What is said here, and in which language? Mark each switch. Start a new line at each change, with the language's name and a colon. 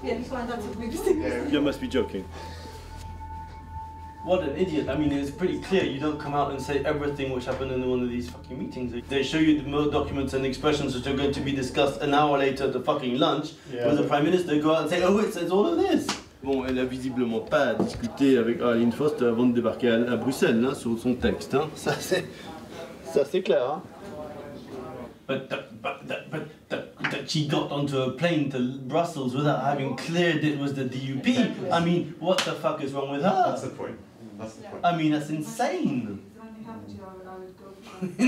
English: Yeah, he's fine, that's a big thing. You must be joking. What an idiot. I mean, it's pretty clear. You don't come out and say everything which happened in one of these fucking meetings. They show you the documents and expressions which are going to be discussed an hour later at the fucking lunch, yeah, with the Prime Minister. Go out and say, oh, it says all of this.
French: Bon, elle a visiblement pas discuté avec Arlene Foster avant de débarquer à Bruxelles, hein, sur son texte. Hein. Ça c'est clair. Hein.
English: But that she got onto a plane to Brussels without having cleared it was the DUP. I mean, what the fuck is wrong with her? That's the point. I mean, that's insane. You